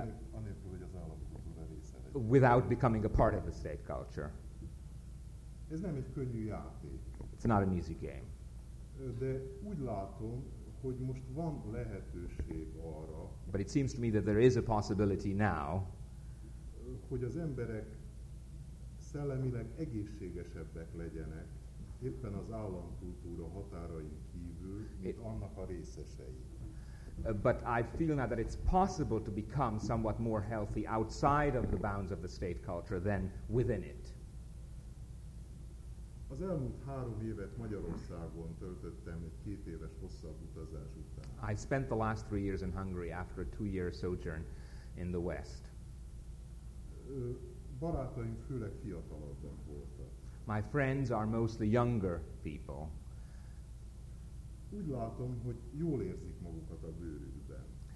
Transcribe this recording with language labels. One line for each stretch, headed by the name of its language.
Hungarian: anélkül, hogy az államkultúra része legyen.
English: Without becoming a part of the state culture.
Hungarian: Ez nem egy könnyű játék.
English: It's not an easy game.
Hungarian: De úgy látom, hogy most van lehetőség arra.
English: But it seems to me that there is a possibility now,
Hungarian: hogy az emberek szellemileg egészségesebbek legyenek, éppen az államkultúra határain kívül, mint annak a részesei.
English: But I feel now that it's possible to become somewhat more healthy outside of the bounds of the state culture than within it.
Hungarian: Az elmúlt 3 évet Magyarországon töltöttem egy 2 éves hosszabb utazás után.
English: I spent the last 3 years in Hungary after a 2-year sojourn in the West.
Hungarian: Barátaim főleg fiatalabbak voltak.
English: My friends are mostly younger people.
Hungarian: Úgy látom, hogy jól érzik magukat a bőrükben.